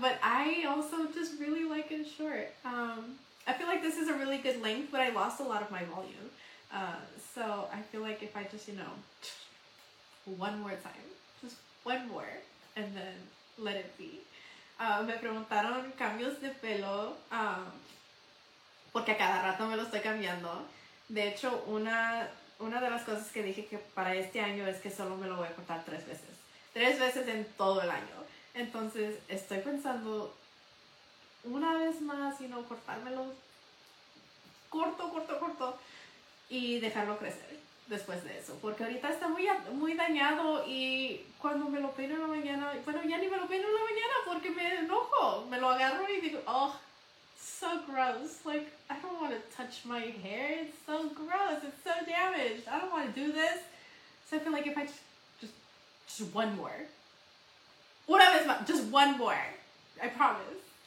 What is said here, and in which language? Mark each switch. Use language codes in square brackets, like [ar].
[en] But I also just really like it short. I feel like this is a really good length, but I lost a lot of my volume. So I feel like if I just, you know, one more time, just one more, and then let it be. [es] Me preguntaron cambios de pelo, porque a cada rato me lo estoy cambiando. De hecho, una de las cosas que dije que para este año es que solo me lo voy a cortar 3 veces. 3 veces en todo el año. Entonces, estoy pensando una vez más, [en] you know, [es] cortármelo corto. Y dejarlo crecer después de eso. Porque ahorita está muy, muy dañado. Y cuando me lo peino en la mañana... Bueno, ya ni me lo peino en la mañana porque me enojo. Me lo agarro y digo, [en] oh, so gross. Like, I don't want to touch my hair. It's so gross. It's so damaged. I don't want to do this. So I feel like if I just one more. [es] Una vez más. [en] Just one more. I promise.